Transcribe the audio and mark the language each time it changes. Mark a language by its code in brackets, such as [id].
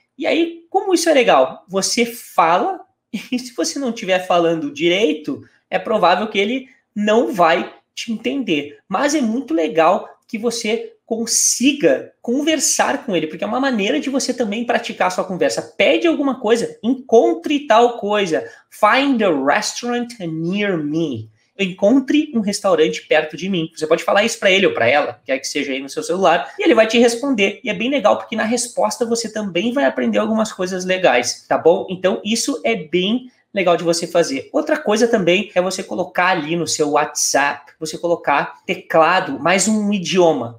[pt] E aí, como isso é legal? Você fala, e se você não estiver falando direito, é provável que ele não vai te entender. Mas é muito legal que você consiga conversar com ele, porque é uma maneira de você também praticar a sua conversa. Pede alguma coisa, encontre tal coisa. [en] Find a restaurant near me. [pt] Encontre um restaurante perto de mim. Você pode falar isso para ele ou para ela, quer que seja aí no seu celular, e ele vai te responder. E é bem legal, porque na resposta você também vai aprender algumas coisas legais, tá bom? Então, isso é bem legal de você fazer. Outra coisa também é você colocar ali no seu WhatsApp, você colocar teclado, mais um idioma.